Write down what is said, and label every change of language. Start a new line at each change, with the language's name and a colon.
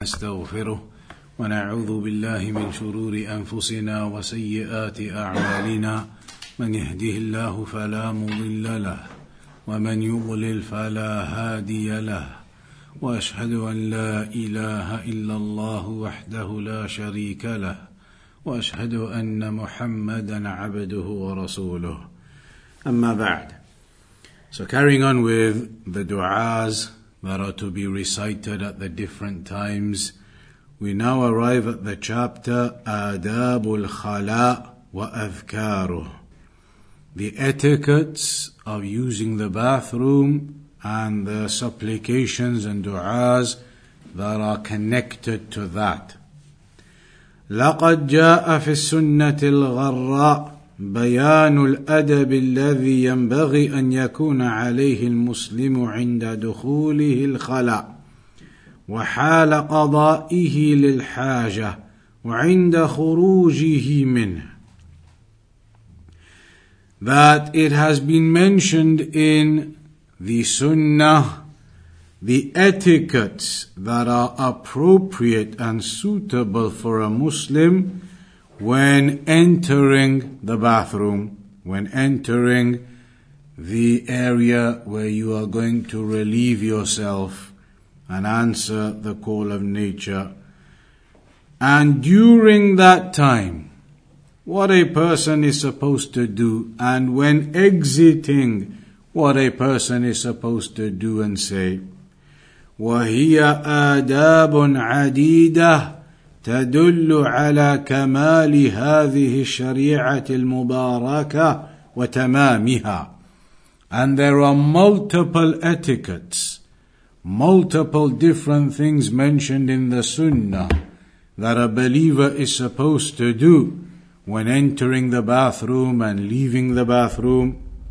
Arabic: نستغفره ونعوذ بالله من شرور أنفسنا وسيئات أعمالنا من يهده الله فلا مضل له ومن يضلل فلا هادي له وأشهد أن لا إله إلا الله وحده لا شريك له وأشهد أن محمدا عبده ورسوله أما بعد.
English: So carrying on with the du'as that are to be recited at the different times, we now arrive at the chapter Adabul Khala wa Adhkaruh, the etiquettes of using the bathroom and the supplications and du'as that are connected to that.
Arabic: لقد جاء في السنة الغراء بيان الأدب الذي ينبغي أن يكون عليه المسلم عند دخوله الخلاء وحال قضائه للحاجة وعند خروجه منه.
English: That it has been mentioned in the Sunnah, the etiquettes that are appropriate and suitable for a Muslim when entering the bathroom, when entering the area where you are going to relieve yourself and answer the call of nature. And during that time, what a person is supposed to do, and when exiting, what a person is supposed to do and say.
Arabic: وَهِيَ آدَابٌ عَدِيدَةٌ تدل على كمال هذه الشريعة المباركة وتمامها.
English: And there are multiple etiquettes, multiple different things mentioned in the Sunnah that a believer is supposed to do when entering the bathroom and leaving the bathroom.